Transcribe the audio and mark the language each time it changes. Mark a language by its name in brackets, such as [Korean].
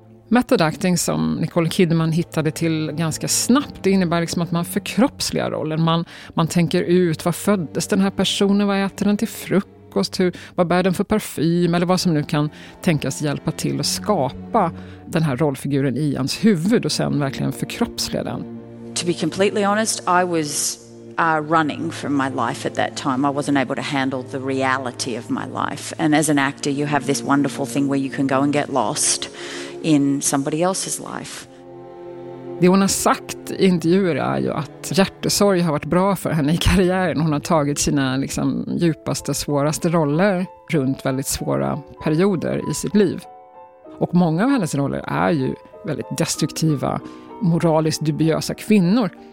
[Swedish] Method acting som Nicole Kidman hittade till ganska snabbt, det innebär liksom att man förkroppsligar rollen. Man tänker ut, var föddes den här personen, vad äter den till frukost, vad bär den för parfym eller vad som nu kan tänkas hjälpa till att skapa den här rollfiguren i hans huvud och sen verkligen förkroppsliga den. [English] To be completely honest, I was running from my life at that time. I wasn't able to handle the reality of my life. And as an actor, you have this wonderful thing where you can go and get lost in somebody else's life. [Swedish] Det hon har sagt i intervjuer är ju att hjärtesorg har varit bra för henne i karriären. Hon har tagit sina liksom djupaste, svåraste roller runt väldigt svåra perioder i sitt liv. Och många av hennes roller är ju väldigt destruktiva, moraliskt dubiösa kvinnor.